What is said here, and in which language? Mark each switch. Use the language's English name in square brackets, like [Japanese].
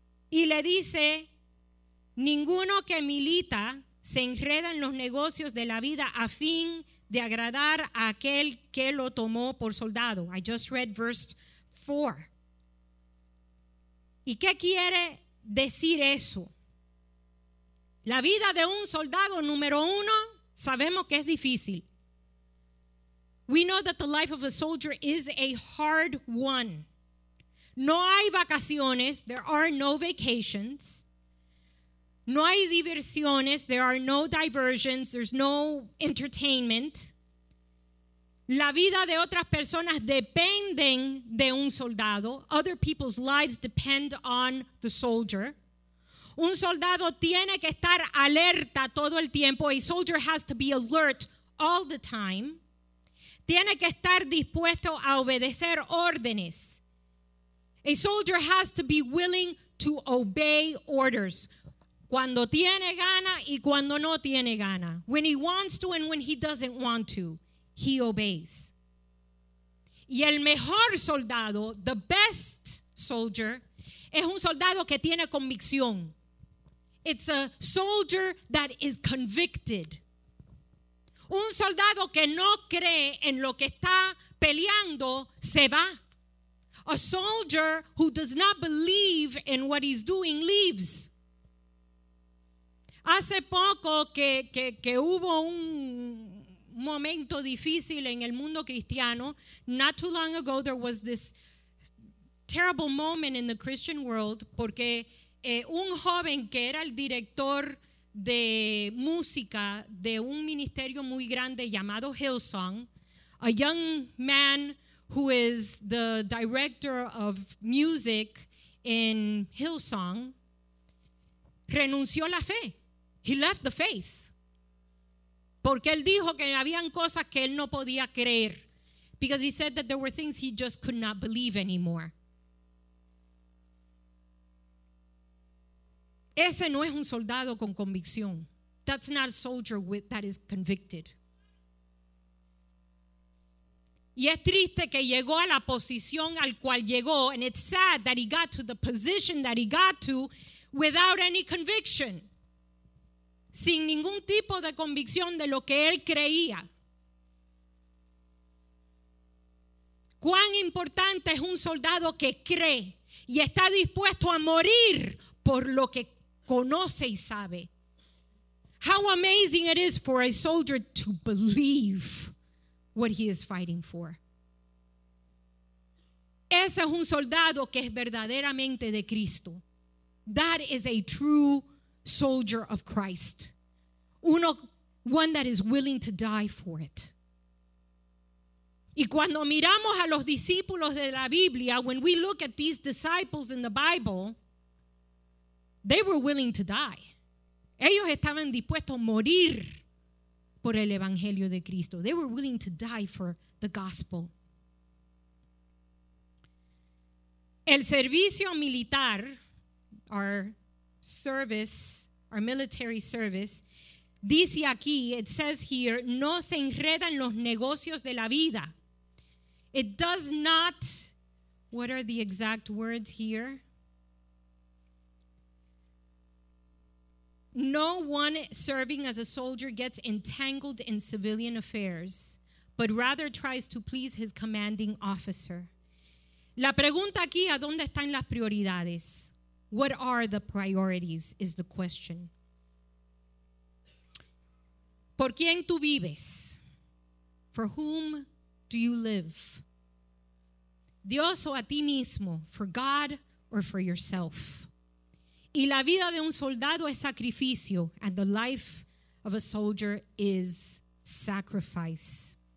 [Spanish] Y le dice, ninguno que milita se enreda en los negocios de la vida a fin de agradar a aquel que lo tomó por soldado. [English] I just read verse 4. [Spanish] ¿Y qué quiere decir eso? La vida de un soldado, número uno, sabemos que es difícil. [English] We know that the life of a soldier is a hard one. [Spanish] No hay vacaciones, [English] there are no vacations. [Spanish] No hay diversiones, [English] there are no diversions, there's no entertainment. [Spanish] La vida de otras personas dependen de un soldado. [English] Other people's lives depend on the soldier. [Spanish] Un soldado tiene que estar alerta todo el tiempo. [English] A soldier has to be alert all the time. [Spanish] Tiene que estar dispuesto a obedecer órdenes. [English] A soldier has to be willing to obey orders. [Spanish] Cuando tiene gana y cuando no tiene gana. [English] When he wants to and when he doesn't want to, he obeys. [Spanish] Y el mejor soldado, [English] the best soldier, [Spanish] es un soldado que tiene convicción. [English] It's a soldier that is convicted. [Spanish] Un soldado que no cree en lo que está peleando se va. [English] A soldier who does not believe in what he's doing leaves. [Spanish] Hace poco que hubo un momento difícil en el mundo cristiano. [English] Not too long ago there was this terrible moment in the Christian world [Spanish] porque un joven que era el director de música de un ministerio muy grande llamado Hillsong, [English] a young man who is the director of music in Hillsong, [Spanish] renunció la fe. [English] He left the faith. [Spanish] Porque él dijo que habían cosas que él no podía creer. [English] Because he said that there were things he just could not believe anymore. [Spanish] Ese no es un soldado con convicción. [English] That's not a soldier that is convicted. [Spanish] Y es triste que llegó a la posición al cual llegó, [English] and it's sad that he got to the position that he got to without any conviction. [Spanish] Sin ningún tipo de convicción de lo que él creía. ¿Cuán importante es un soldado que cree y está dispuesto a morir por lo que cree? Conoce y sabe. [English] How amazing it is for a soldier to believe what he is fighting for. [Spanish] Ese es un soldado que es verdaderamente de Cristo. [English] That is a true soldier of Christ. One that is willing to die for it. [Spanish] Y cuando miramos a los discípulos de la Biblia, [English] when we look at these disciples in the Bible, They were willing to die. [Spanish] Ellos estaban dispuestos a morir por el evangelio de Cristo. [English] They were willing to die for the gospel. [Spanish] El servicio militar, [English] our service, our military service, [Spanish] dice aquí, [English] it says here, [Spanish] no se enredan los negocios de la vida. [English] It does not, what are the exact words here? No one serving as a soldier gets entangled in civilian affairs, but rather tries to please his commanding officer. [Spanish] La pregunta aquí, ¿a dónde están las prioridades? [English] What are the priorities is the question. [Spanish] ¿Por quién tú vives? [English] For whom do you live? [Spanish] ¿Dios o a ti mismo? [English] For God or for yourself? [Spanish] Y la vida de un soldado es sacrificio. [English] And the life of a soldier is sacrifice.